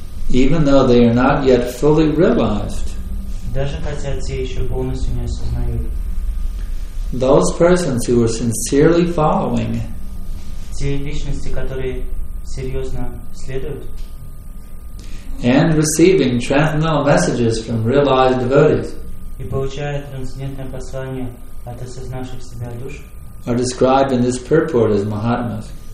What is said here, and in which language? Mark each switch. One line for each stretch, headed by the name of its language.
English: Even though they are not yet fully realized.
Russian: Даже хотя те еще полностью не осознают.
English: Those persons who are sincerely following.
Russian: Те личности, которые серьезно следуют.
English: And receiving transcendental messages from realized devotees are described in this purport as Mahatmas.